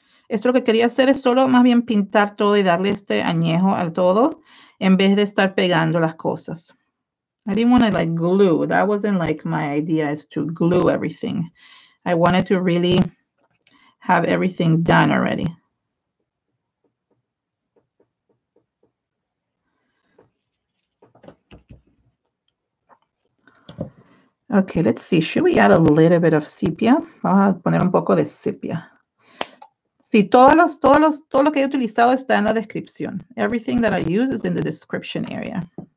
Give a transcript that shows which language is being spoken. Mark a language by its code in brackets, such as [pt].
[es] Esto lo que quería hacer es solo más bien pintar todo y darle este añejo al todo en vez de estar pegando las cosas. [en] I didn't want to like glue. That wasn't like my idea, is to glue everything. I wanted to really have everything done already. Okay, let's see. Should we add a little bit of sepia? [es] Vamos a poner un poco de sepia. Sí, todo lo que he utilizado está en la descripción. [en] Everything that I use is in the description area.